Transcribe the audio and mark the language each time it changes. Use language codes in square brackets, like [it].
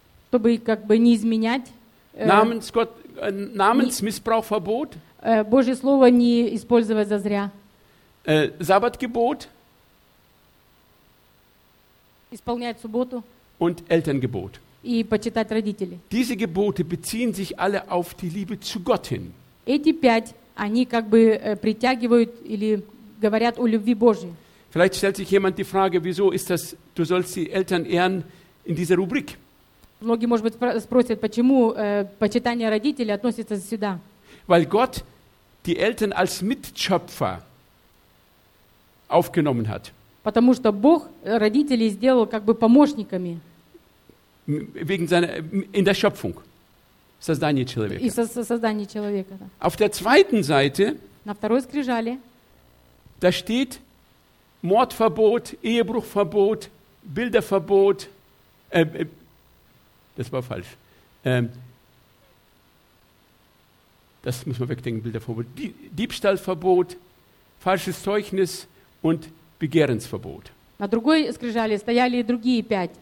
[ru] Чтобы как бы не изменять [de] Namensmissbrauchverbot, [ru] Божье слово не использовать зазря, [de] Sabbatgebot, [ru] исполнять субботу [de] und Elterngebot, [ru] и почитать родителей. [de] Diese Gebote beziehen sich alle auf die Liebe zu Gott hin. [ru] Эти пять, они как бы притягивают или говорят о любви Божьей. [de] Vielleicht stellt sich jemand die Frage, wieso ist das, du sollst die Eltern ehren in dieser Rubrik? [ru] Многие, может быть, спросят, почему почитание родителей относится сюда. [de] Weil Gott die Eltern als Mitschöpfer aufgenommen hat. [ru] Потому что Бог родителей сделал как бы помощниками. [de] wegen seiner, in der Schöpfung. [ru] Создание человека. И создание человека. [de] Auf der zweiten Seite, [ru] на второй скрижали, [de] da steht Mordverbot, Ehebruchverbot, Bilderverbot. Das war falsch. Das müssen wir wegdenken, Bilderverbot. Diebstahlverbot, falsches Zeugnis und Begehrensverbot. [ru] На другой скрижали стояли другие пять.